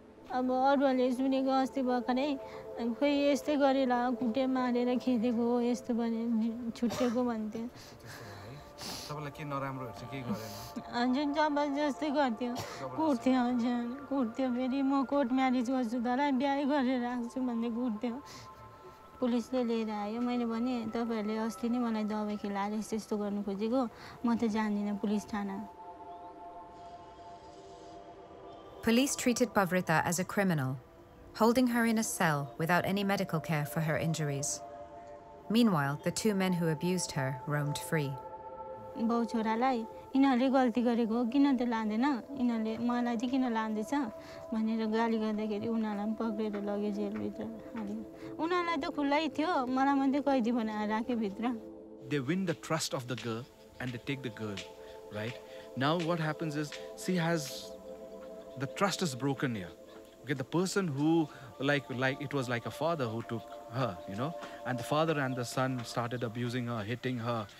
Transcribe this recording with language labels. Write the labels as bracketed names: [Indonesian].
[Nepali] अब अरूहरूले सुनेको अस्ति भर्खरै खोइ यस्तै गरेर खुट्टे मारेर खेदेको हो यस्तो भने छुट्टेको भन्थ्यो हजुर जबरजस्ती गर्थ्यो कुट्थ्यो हजुर कुट्थ्यो फेरि म कोर्ट म्यारेज गर्छु तर बिहे गरेर राख्छु भन्दै कुट्थ्यो पुलिसले लिएर आयो मैले भने तपाईँहरूले अस्ति नै मलाई दबाई खिलाएर यस्तो यस्तो गर्नु खोजेको म त जान्दिनँ पुलिस थाना [English] police treated Pavrita as a criminal holding her in a cell without any medical care for her injuries meanwhile the two men who abused her roamed free [Nepali] बाउ छोरालाई यिनीहरूले गल्ती गरेको हो किन त लाँदैन यिनीहरूले मलाई चाहिँ किन लाँदैछ भनेर गाली गर्दाखेरि उनीहरूलाई पनि पक्रेर लग्यो जेलभित्र हाल्यो उनीहरूलाई त खुल्लै थियो मलाई मात्रै कैदी बनाएर राख्यो भित्र [English] they win the trust of the girl and they take the girl, right? Now what happens is, she has, the trust is broken here. Okay, the person who, like it was like a father who took her, you know, and the father and the son started abusing her, hitting her.